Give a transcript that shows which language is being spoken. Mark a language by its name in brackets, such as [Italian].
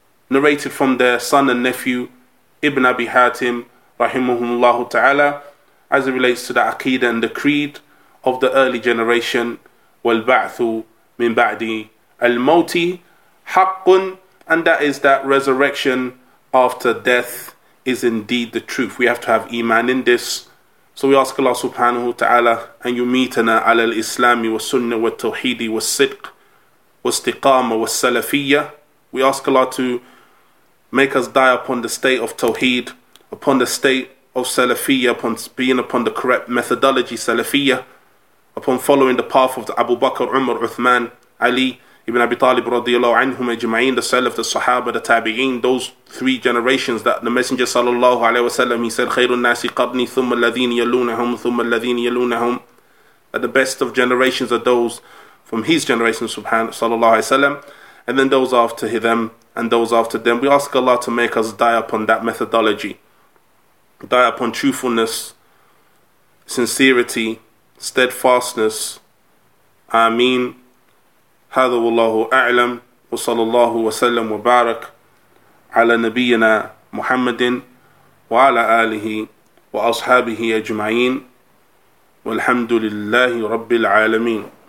[English] narrated from their son and nephew, Ibn Abi Hatim, rahimahumullah ta'ala, as it relates to the Aqeedah and the creed of the early generation, [Arabic] وَالْبَعْثُ مِنْ بَعْدِي الْمَوْتِ حَقٌّ, [English] and that is that resurrection after death is indeed the truth. We have to have iman in this. So we ask Allah subhanahu wa ta'ala, [Arabic] أن يميتنا على الإسلام والسنة والتوحيد والصدق والاستقامة والسلفية. [English] We ask Allah to make us die upon the state of Tawheed, upon the state of Salafiyyah, upon being upon the correct methodology, Salafiyyah, upon following the path of the Abu Bakr, Umar, Uthman, Ali, Ibn Abi Talib radiallahu anhum, ajma'een, the Salaf, the Sahaba, the Tabi'een, those three generations that the Messenger sallallahu alayhi wa sallam, he said, [Arabic] خَيْرُ النَّاسِ قَرْنِي ثُمَّ الَّذِينِ يَلُونَهُمْ [English] ثُمَّ الَّذِينِ يَلُونَهُمْ, that the best of generations are those from his generation, subhanahu sallallahu alayhi wa sallam, and then those after them, and those after them. We ask Allah to make us die upon that methodology, die upon truthfulness, sincerity, steadfastness. Ameen. [Arabic] هذا والله أعلم وصلى الله وسلم وبارك على نبينا محمد وعلى آله وأصحابه أجمعين والحمد لله رب العالمين.